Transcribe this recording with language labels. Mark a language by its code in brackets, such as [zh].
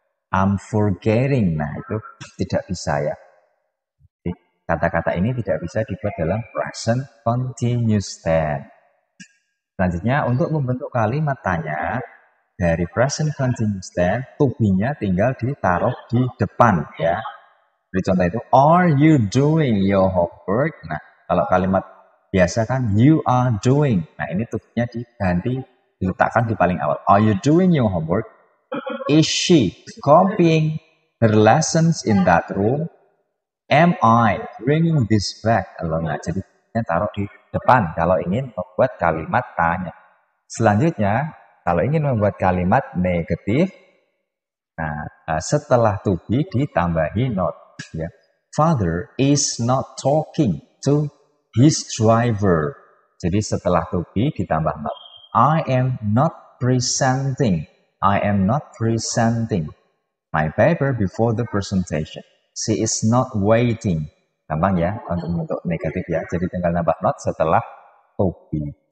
[en] I'm forgetting. [id] Nah, itu tidak bisa ya. Jadi, kata-kata ini tidak bisa dibuat dalam present continuous tense. Selanjutnya, untuk membentuk kalimat tanya dari present continuous tense, to be-nya tinggal ditaruh di depan ya. Jadi contoh itu, [en] are you doing your homework? [id] Nah, kalau kalimat biasa kan, [en] you are doing. [id] Nah, ini to be-nya diganti, diletakkan di paling awal. [en] Are you doing your homework? Is she copying her lessons in that room? Am I bringing this back? [id] Nah, jadi, ini taruh di depan kalau ingin membuat kalimat tanya. Selanjutnya, kalau ingin membuat kalimat negatif, nah, setelah to be ditambahi not. [en] Ya. Father is not talking to his driver. [id] Jadi setelah to be ditambah not. [en] I am not presenting. I am not presenting my paper before the presentation. She is not waiting. [id] Gampang ya, untuk negatif ya. Jadi tinggal nambah not setelah to be.